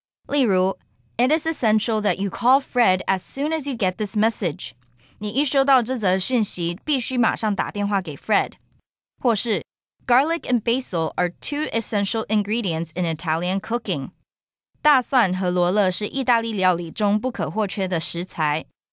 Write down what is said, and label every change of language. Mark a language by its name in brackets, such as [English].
[Chinese] 例如 [English] ，It is essential that you call Fred as soon as you get this message. [Chinese] 你一收到这则讯息，必须马上打电话给 Fred。或是 [English] Garlic and basil are two essential ingredients in Italian cooking. [Chinese] 大蒜和罗勒是意大利料理中不可或缺的食材。